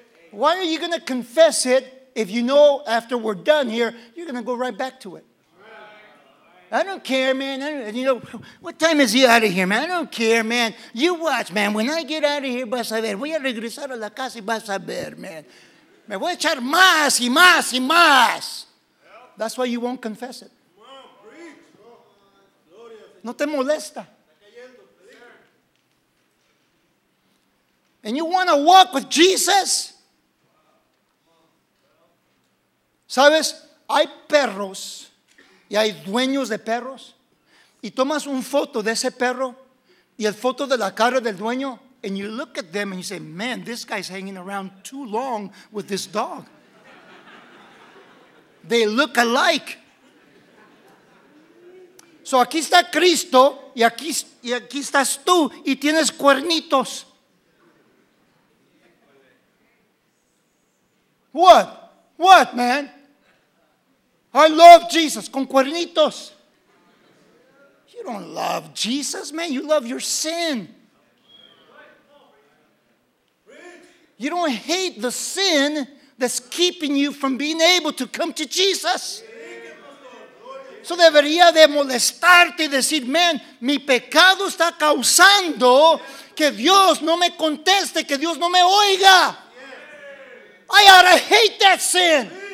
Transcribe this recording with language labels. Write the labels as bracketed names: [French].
[English] Why are you going to confess it if you know after we're done here, you're going to go right back to it? I don't care, man. You know, what time is he out of here, man? I don't care, man. You watch, man. When I get out of here, [Spanish] vas a ver. Voy a regresar a la casa y vas a ver, man. Me voy a echar más y más y más. [English] That's why you won't confess it. [Spanish] No te molesta. [English] And you want to walk with Jesus? [Spanish] ¿Sabes? Hay perros y hay dueños de perros. Y tomas un foto de ese perro y el foto de la cara del dueño. [English] And you look at them and you say, man, this guy's hanging around too long with this dog. They look alike. [Spanish] So aquí está Cristo y aquí estás tú y tienes cuernitos. [English] What? What, man? I love Jesus [Spanish] con cuernitos. [English] You don't love Jesus, man. You love your sin. You don't hate the sin that's keeping you from being able to come to Jesus. [Spanish] So debería de molestarte y decir, man, mi pecado está causando que Dios no me conteste, que Dios no me oiga. [English] I ought to hate that sin.